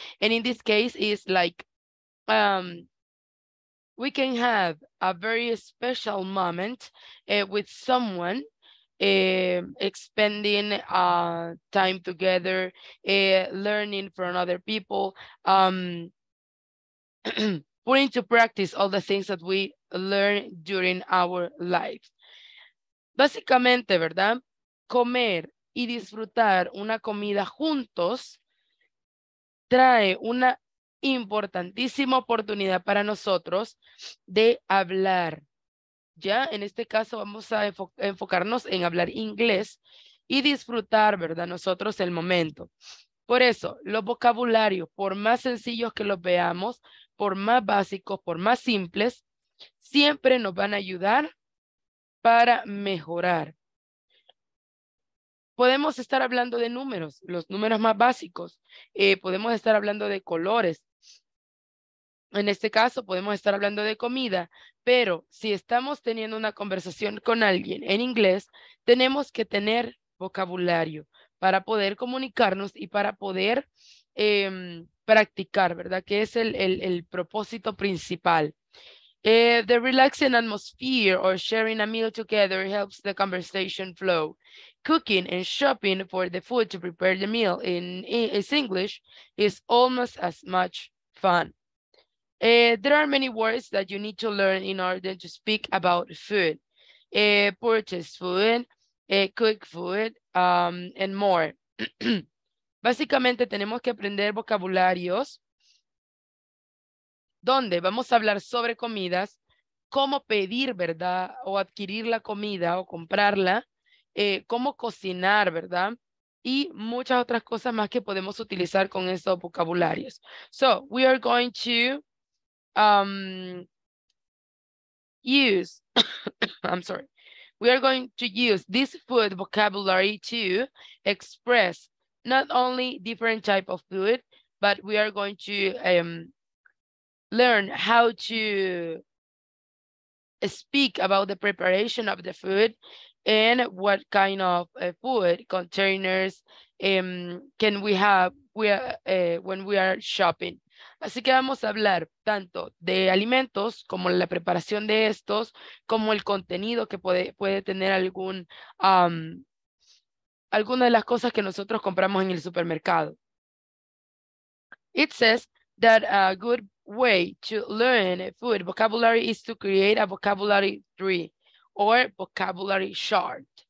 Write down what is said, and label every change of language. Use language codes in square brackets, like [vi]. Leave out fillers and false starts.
[en] And in this case, it's like we can have a very special moment with someone, expending time together, learning from other people, putting to practice all the things that we learn during our life. [es] Básicamente, ¿verdad? Comer y disfrutar una comida juntos trae una importantísima oportunidad para nosotros de hablar. Ya en este caso vamos a enfocarnos en hablar inglés y disfrutar, ¿verdad? Nosotros el momento. Por eso, los vocabularios, por más sencillos que los veamos, por más básicos, por más simples, siempre nos van a ayudar para mejorar. Podemos estar hablando de números, los números más básicos. Podemos estar hablando de colores. En este caso, podemos estar hablando de comida, pero si estamos teniendo una conversación con alguien en inglés, tenemos que tener vocabulario para poder comunicarnos y para poder practicar, ¿verdad? Que es el propósito principal. [en] The relaxing atmosphere or sharing a meal together helps the conversation flow. Cooking and shopping for the food to prepare the meal in English is almost as much fun. There are many words that you need to learn in order to speak about food. Purchase food, cook food, and more. [es] Básicamente tenemos que aprender vocabularios donde vamos a hablar sobre comidas, cómo pedir, ¿verdad? O adquirir la comida o comprarla, cómo cocinar, ¿verdad? Y muchas otras cosas más que podemos utilizar con estos vocabularios. [en] So, we are going to use this food vocabulary to express not only different type of food, but we are going to Learn how to speak about the preparation of the food and what kind of food containers can we have when we are shopping. [es] Así que vamos a hablar tanto de alimentos como la preparación de estos, como el contenido que puede tener alguna de las cosas que nosotros compramos en el supermercado. [en] It says that a good way to learn food vocabulary is to create a vocabulary tree or vocabulary chart.